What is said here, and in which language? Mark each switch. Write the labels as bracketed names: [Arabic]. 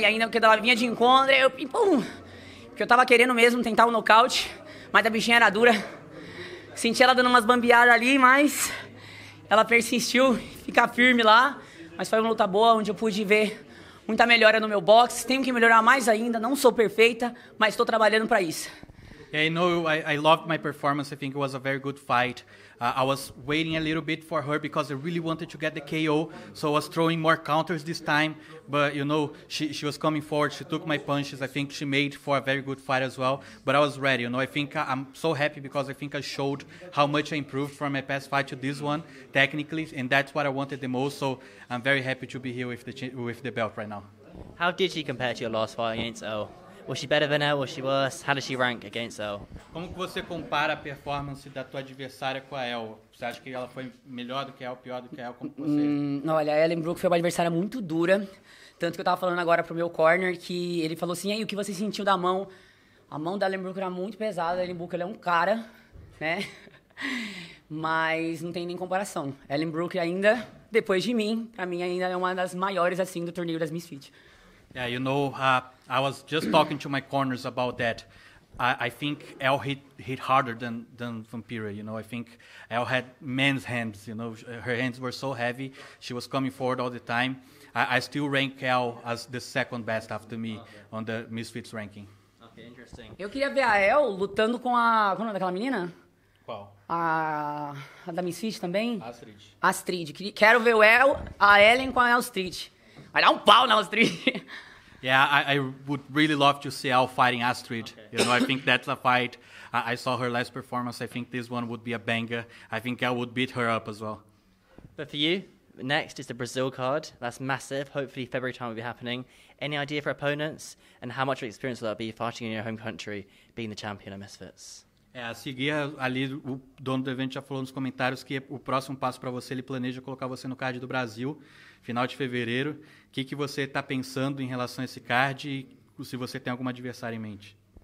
[Portuguese] E ainda que ela vinha de encontro, eu pum! Porque eu tava querendo mesmo tentar um nocaute, mas a bichinha era dura. Senti ela dando umas bambeadas ali, mas ela persistiu ficar firme lá. Mas foi uma luta boa, onde eu pude ver muita melhora no meu boxe. Tenho que melhorar mais ainda, não sou perfeita, mas estou trabalhando para isso. [English] Yeah, you know, I loved my performance. I think it was a very good fight. I was waiting a little bit for her because I really wanted to get the KO. So I was throwing more counters this time. But, you know, she was coming forward. She took my punches. I think she made for a very good fight as well. But I was ready. You know, I think I'm so happy because I think I showed how much I improved from my past fight to this one technically. And that's what I wanted the most. So I'm very happy to be here with the belt right now. How did she compare to your last fight against Elle? Was she better than Elle? Was she worse? How does she rank against Elle? [Portuguese] Como que você compara a performance da tua adversária com a Elle? Você acha que ela foi melhor do que a Elle, pior do que a Elle? Como que você... Olha, a Ellen Brooke foi uma adversária muito dura. Tanto que eu tava falando agora pro meu corner que ele falou assim, aí, o que você sentiu da mão? A mão da Ellen Brooke era muito pesada. A Ellen Brooke, ela é um cara, né? Mas não tem nem comparação. Ellen Brooke ainda, depois de mim, pra mim ainda é uma das maiores, assim, do torneio das Misfits. [English] Yeah, you know, I was just talking to my corners about that. I think Elle hit harder than Vampira, you know. I think Elle had men's hands, you know. Her hands were so heavy. She was coming forward all the time. I still rank Elle as the second best after me on the Misfits ranking. Okay, interesting. [Portuguese] Eu queria ver a Elle lutando com a... Qual o nome daquela menina? Qual? A da Misfits também? Astrid. Quero ver a Ellen com a Astrid. Vai dar pau na Astrid. [English] Yeah, I would really love to see Elle fighting Astrid. Okay. You know, I think that's a fight. I saw her last performance. I think this one would be a banger. I think Elle would beat her up as well. But for you, next is the Brazil card. That's massive. Hopefully February time will be happening. Any idea for opponents? And how much of experience will that be fighting in your home country, being the champion of Misfits? [Portuguese] É, a seguir ali, o dono do evento já falou nos comentários que o próximo passo para você, ele planeja colocar você no card do Brasil, final de fevereiro. O que você está pensando em relação a esse card e se você tem alguma adversária em mente?